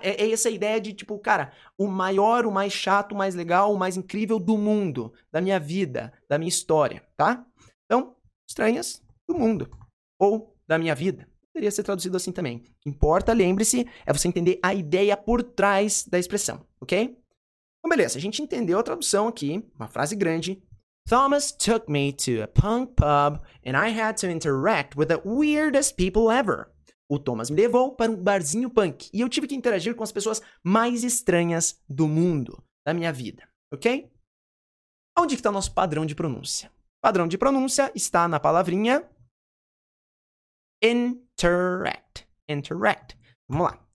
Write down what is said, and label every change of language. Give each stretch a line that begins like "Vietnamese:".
Portuguese: É essa ideia de, tipo, cara, o maior, o mais chato, o mais legal, o mais incrível do mundo, da minha vida, da minha história, tá? Então, estranhas do mundo, ou da minha vida, poderia ser traduzido assim também. O que importa, lembre-se, é você entender a ideia por trás da expressão, ok? Então, beleza, a gente entendeu a tradução aqui, uma frase grande.
English: Thomas took me to a punk pub and I had to interact with the weirdest people ever.
Portuguese: O Thomas me levou para um barzinho punk e eu tive que interagir com as pessoas mais estranhas do mundo, da minha vida, ok? Onde que está o nosso padrão de pronúncia? Padrão de pronúncia está na palavrinha interact. Interact. Vamos lá.